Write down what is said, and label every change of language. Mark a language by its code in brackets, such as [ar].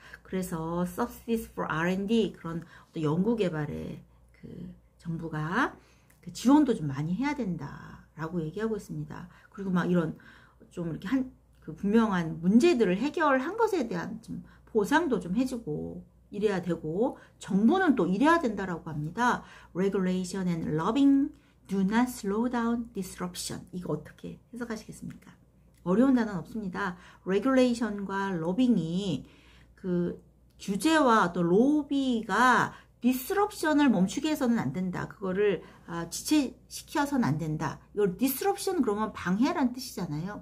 [ko] 그래서 [en] Subsidies for R&D [ko] 그런 어떤 연구 개발에 그 정부가 그 지원도 좀 많이 해야 된다라고 얘기하고 있습니다. 그리고 막 이런 좀 이렇게 한 그 분명한 문제들을 해결한 것에 대한 좀 보상도 좀 해주고 이래야 되고 정부는 또 이래야 된다라고 합니다. [en] Regulation and lobbying do not slow down disruption. [ko] 이거 어떻게 해석하시겠습니까? 어려운 단어는 없습니다. Regulation과 lobbying이 그 규제와 또 로비가 disruption을 멈추게 해서는 안 된다. 그거를 지체시켜서는 안 된다. 이걸 disruption 그러면 방해란 뜻이잖아요.